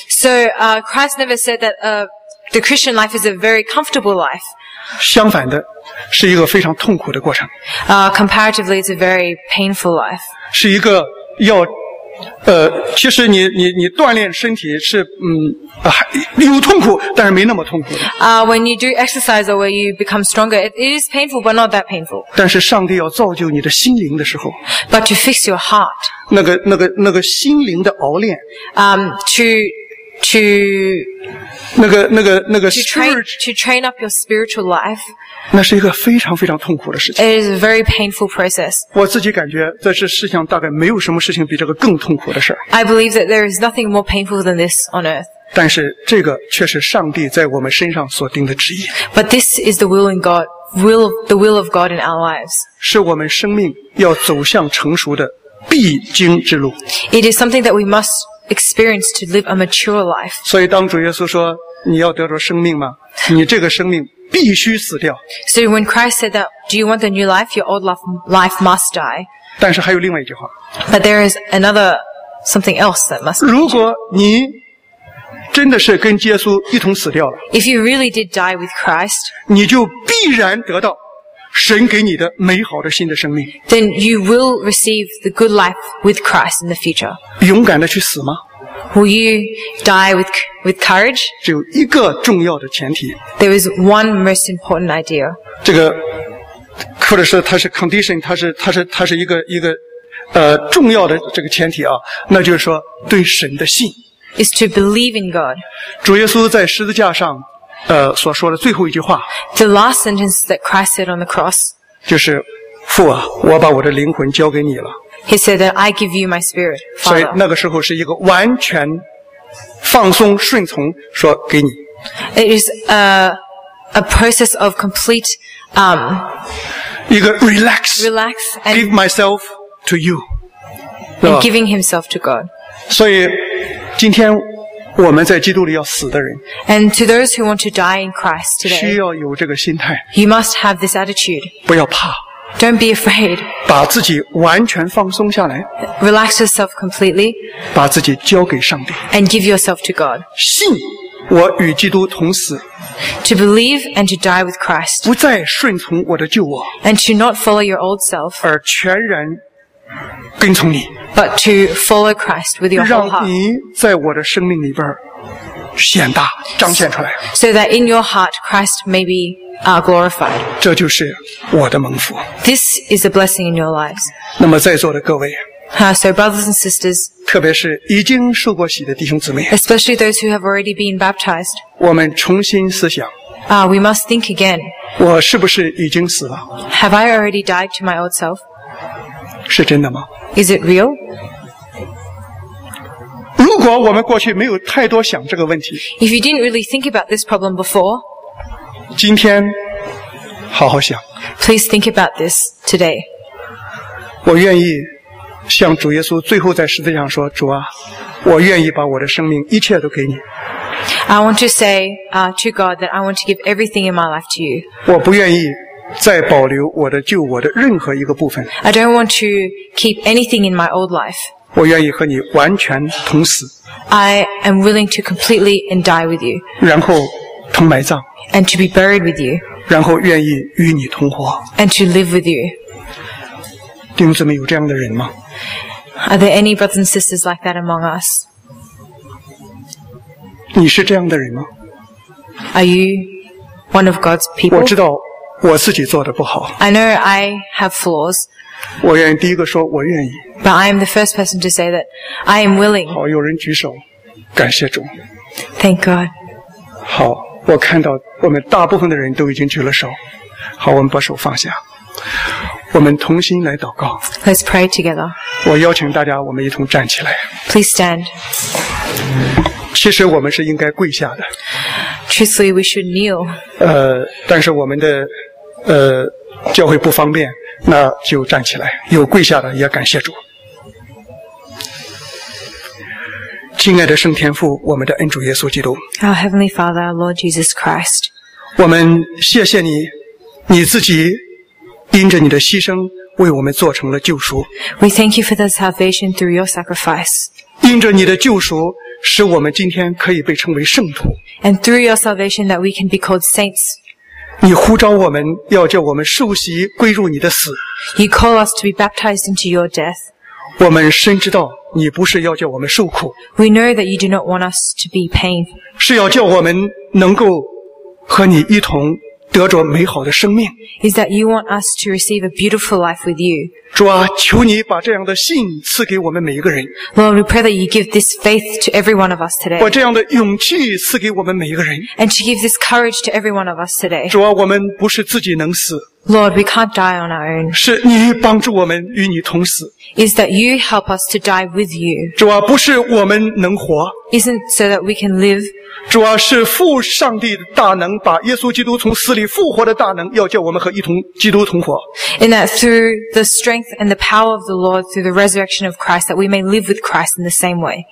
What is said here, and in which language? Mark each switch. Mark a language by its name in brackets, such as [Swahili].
[English] So, Christ never said that, the Christian life is a very comfortable life. [Chinese] 相反的，是一个非常痛苦的过程。 [English] Comparatively, it's a very painful life. [Chinese] 是一个要其实你锻炼身体是有痛苦，但是没那么痛苦的。 [English] When you do exercise or when you become stronger, it is painful, but not that painful. [Chinese] 但是上帝要造就你的心灵的时候 [English] ，But to fix your heart. [Chinese] 那个心灵的熬炼。 [English] To [Chinese] 那个 [English] to train up your spiritual life. [Chinese] 那是一个非常非常痛苦的事情。 [English] It is a very painful process. [Chinese] 我自己感觉在这世上大概没有什么事情比这个更痛苦的事。 [English] I believe that there is nothing more painful than this on earth. [Chinese] 但是这个却是上帝在我们身上所定的旨意。 [English] But this is the will of God in our lives. [Chinese] 是我们生命要走向成熟的必经之路。 [English] It is something that we must experience to live a mature life. [Chinese] 所以当主耶稣说你要得着生命吗？你这个生命必须死掉。 [English] So when Christ said that, do you want the new life? Your old life must die. [Chinese] 但是还有另外一句话。 [English] But there is another something else that must. [Chinese] 如果你真的是跟耶稣一同死掉了。 [English] If you really did die with Christ, [Chinese] 你就必然得到神给你的美好的新的生命。 [English] Then you will receive the good life with Christ in the future. [Chinese] 勇敢的去死吗？ [English] Will you die with courage? [Chinese] 只有一个重要的前提。 [English] There is one most important idea. [Chinese] 这个，或者是它是 condition, 它是一个重要的这个前提啊，那就是说对神的信。 [English] Is to believe in God. [Chinese] 主耶稣在十字架上，所说的最后一句话。 [English] The last sentence that Christ said on the cross. [Chinese] 就是，父啊，我把我的灵魂交给你了。 [English] He said that I give you my spirit, Father. [Chinese] 所以那个时候是一个完全放松顺从，说给你。 [English] It is a process of complete You go relax. Relax and give myself to you. And giving himself to God. [Chinese] 所以今天我们在基督里要死的人 [English] And to those who want to die in Christ today, [Chinese] 需要有这个心态 [English] You must have this attitude. [Chinese] 不要怕 [English] Don't be afraid. [Chinese] 把自己完全放松下来 [English] Relax yourself completely. [Chinese] 把自己交给上帝 [English] And give yourself to God. [Chinese] 信我与基督同死 [English] To believe and to die with Christ. [Chinese] 不再顺从我的旧我 [English] And to not follow your old self. [Chinese] 而全然跟从你 [English] But to follow Christ with your whole heart. [Chinese] 让你在我的生命里边显大，彰显出来。 [English] So that in your heart Christ may be glorified. [Chinese] 这就是我的蒙福。 [English] This is a blessing in your lives. [Chinese] 那么在座的各位 [English] So brothers and sisters. [Chinese] 特别是已经受过洗的弟兄姊妹 [English] Especially those who have already been baptized. [Chinese] 我们重新思想。 [English] We must think again. [Chinese] 我是不是已经死了 [English] Have I already died to my old self? [Chinese] 是真的吗 [English] Is it real? [Chinese] 如果我们过去没有太多想这个问题 [English] If you didn't really think about this problem before [Chinese] 今天好好想 [English] Please think about this today [Chinese] 我愿意向主耶稣最后在十字架上说主啊我愿意把我的生命一切都给你 [English] I want to say to God that I want to give everything in my life to you [Chinese] 我不愿意再保留我的旧我的任何一个部分 [English] I don't want to keep anything in my old life [Chinese] 我愿意和你完全同死 [English] I am willing to completely and die with you [Chinese] 然后同埋葬 [English] And to be buried with you [Chinese] 然后愿意与你同活 [English] And to live with you [Chinese] 弟兄姊妹有这样的人吗 [English] Are there any brothers and sisters like that among us? [Chinese] 你是这样的人吗 [English] Are you one of God's people? [Chinese] 我知道我自己做的不好。 [English] I know I have flaws. [Chinese] 我愿意第一个说我愿意。 [English] But I am the first person to say that I am willing. [Chinese] 好，有人举手，感谢主。 [English] Thank God. [Chinese] 好，我看到我们大部分的人都已经举了手。好，我们把手放下。我们同心来祷告。 [English] Let's pray together. [Chinese] 我邀请大家，我们一同站起来。 [English] Please stand. [Chinese] 其实我们是应该跪下的。 [English] Truthfully, we should kneel. [Chinese] 但是我们的教会不方便，那就站起来。有跪下的也感谢主。亲爱的圣天父，我们的恩主耶稣基督。 [English] Our Heavenly Father, our Lord Jesus Christ. [Chinese] 我们谢谢你，你自己因着你的牺牲为我们做成了救赎。 [English] We thank you for the salvation through your sacrifice. [Chinese] 因着你的救赎，使我们今天可以被称为圣徒。 [English] And through your salvation that we can be called saints. [Chinese] 你呼召我们要叫我们受洗归入你的死。 [English] You call us to be baptized into your death. [Chinese] 我们深知道你不是要叫我们受苦。 [English] We know that you do not want us to be pain. [Chinese] 是要叫我们能够和你一同得着美好的生命。 [English] Is that you want us to receive a beautiful life with you. [Chinese] 主啊求你把这样的信赐给我们每一个人。 [English] Lord, we pray that you give this faith to every one of us today. [Chinese] 把这样的勇气赐给我们每一个人。 [English] And to give this courage to every one of us today. [Chinese] 主啊我们不是自己能死。 [English] Lord, we can't die on our own. [Chinese] 是你帮助我们与你同死。 [English] Is that you help us to die with you. [Chinese] 主啊不是我们能活。 [English] Isn't so that we can live. [Chinese] 主啊是父上帝的大能把耶稣基督从死里复活的大能要叫我们和一同基督同活 [English] In that through the strength and the power of the Lord through the resurrection of Christ that we may live with Christ in the same way